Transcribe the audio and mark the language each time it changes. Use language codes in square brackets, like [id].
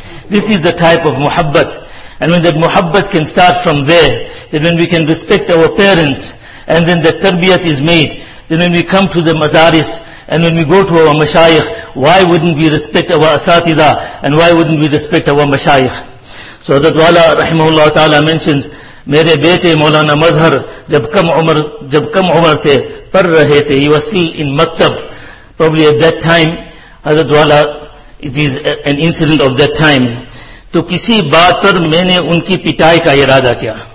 [en] This is the type of muhabbat. And when that muhabbat can start from there, then when we can respect our parents, and then the tarbiyat is made, then when we come to the mazaris, and when we go to our mashayikh, why wouldn't we respect our asatida, and why wouldn't we respect our mashayikh? So Hazrat Wala Rahimahullah Ta'ala mentions, [ur] میرے بیٹے مولانا مظہر جب کم عمر تھے پر رہے تھے. [en] He was still in maktab. Probably at that time, Hazrat Wala, it is an incident of that time. [ur] تو کسی بات پر میں نے ان کی پٹائی کا ارادہ کیا.